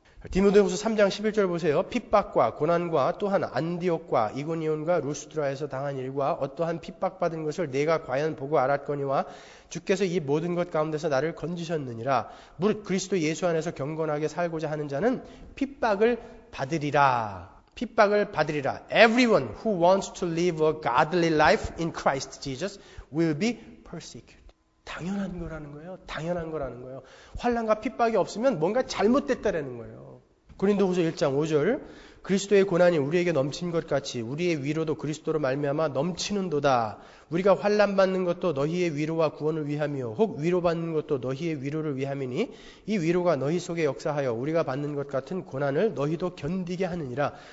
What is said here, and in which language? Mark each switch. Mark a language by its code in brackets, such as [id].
[ko] 디모데후서 3장 11절 보세요. 핍박과 고난과 또한 안디옥과 이고니온과 루스드라에서 당한 일과 어떠한 핍박받은 것을 내가 과연 보고 알았거니와 주께서 이 모든 것 가운데서 나를 건지셨느니라. 무릇 그리스도 예수 안에서 경건하게 살고자 하는 자는 핍박을 받으리라. 핍박을 받으리라. [en] Everyone who wants to live a godly life in Christ Jesus will be persecuted. [ko] 당연한 거라는 거예요. 당연한 거라는 거예요. 환난과 핍박이 없으면 뭔가 잘못됐다라는 거예요. 고린도후서 1장 5절 그리스도의 고난이 우리에게 넘친 것 같이 우리의 위로도 그리스도로 말미암아 넘치는 도다. 우리가 환난 받는 것도 너희의 위로와 구원을 위함이요 혹 위로받는 것도 너희의 위로를 위함이니 이 위로가 너희 속에 역사하여 우리가 받는 것 같은 고난을 너희도 견디게 하느니라.